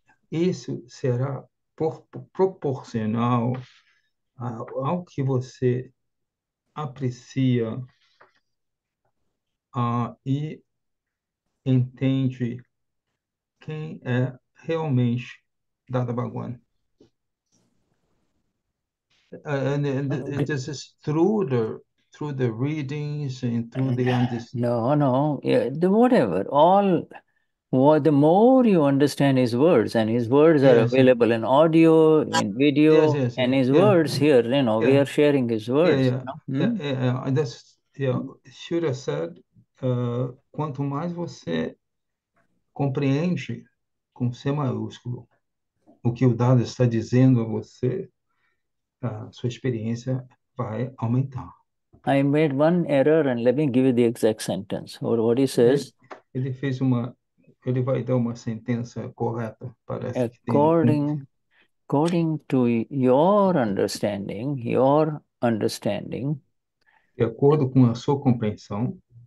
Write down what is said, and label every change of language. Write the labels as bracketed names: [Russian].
[Portuguese] Isso será proporcional ao que você aprecia e entende quem é realmente Dadabgwan. [English] And this is through the readings and through the understanding. No, no, yeah, whatever. All what the more you understand his words, and his words are available in audio, in video, and his words here, you know, we are sharing his words. Shura said, [Portuguese] quanto mais você compreende com C maiúsculo o que o Dada está dizendo a você, a sua experiência vai aumentar. [English] I made one error, and let me give you the exact sentence or what he says. [Portuguese] Ele vai dar uma sentença correta. Parece que tem [English] according to your understanding, [Portuguese] de acordo com a sua compreensão.